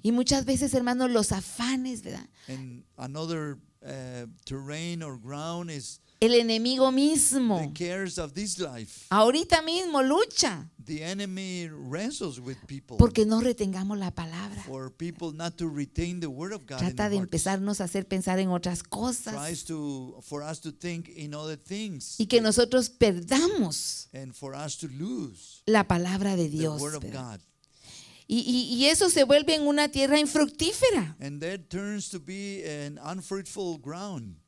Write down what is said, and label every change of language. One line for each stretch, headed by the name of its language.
Spanish: Y muchas veces, hermanos, los afanes, ¿verdad?
English: And another terrain or ground is
Spanish: el enemigo mismo.
English: The cares of this life.
Spanish: Ahorita mismo lucha.
English: The enemy wrestles with people.
Spanish: Porque no retengamos la palabra.
English: For people not to retain the word of God.
Spanish: Trata de empezarnos a hacer pensar en otras cosas.
English: Tries to for us to think in other things.
Spanish: Y que nosotros perdamos.
English: And for us to lose.
Spanish: La palabra de Dios.
English: The word of God.
Spanish: Y eso se vuelve en una tierra infructífera.
English: And that turns to be an unfruitful ground.